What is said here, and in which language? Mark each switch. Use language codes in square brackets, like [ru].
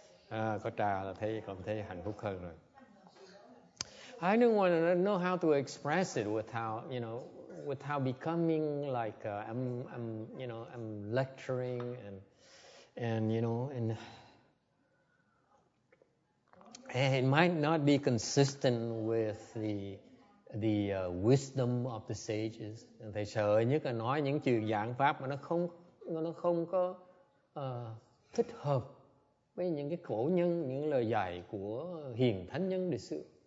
[vi] Có trà là thấy cảm thấy hạnh phúc hơn rồi. [en] I don't want to know how to express it without becoming like I'm lecturing and it might not be consistent with the wisdom of the sages. [vi] Thầy sợ nhất là nói những chuyện giảng pháp mà nó không có thích hợp với những cái cổ nhân, những lời dạy của hiền thánh nhân lịch sử.